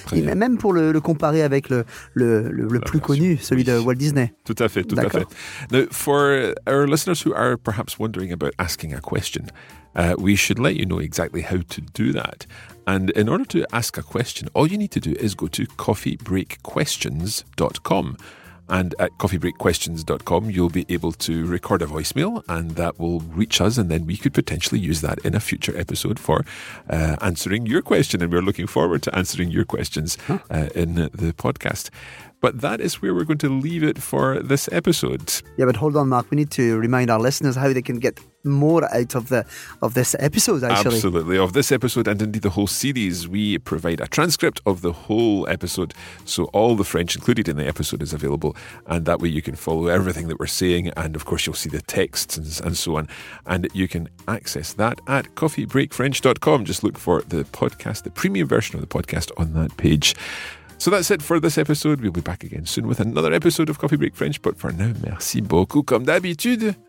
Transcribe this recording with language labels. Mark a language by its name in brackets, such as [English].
[French] Et même pour le comparer avec le plus connu, celui de Walt Disney. Tout à fait. [English] Now, for our listeners who are perhaps wondering about asking a question, we should let you know exactly how to do that. And in order to ask a question, all you need to do is go to coffeebreakquestions.com. And at coffeebreakquestions.com, you'll be able to record a voicemail and that will reach us. And then we could potentially use that in a future episode for answering your question. And we're looking forward to answering your questions in the podcast. But that is where we're going to leave it for this episode. Yeah, but hold on, Mark. We need to remind our listeners how they can get more out of this episode, actually. Absolutely. Of this episode and indeed the whole series, we provide a transcript of the whole episode. So all the French included in the episode is available. And that way you can follow everything that we're saying. And of course, you'll see the texts and so on. And you can access that at coffeebreakfrench.com. Just look for the podcast, the premium version of the podcast on that page. So that's it for this episode. We'll be back again soon with another episode of Coffee Break French. But for now, [French] merci beaucoup, comme d'habitude.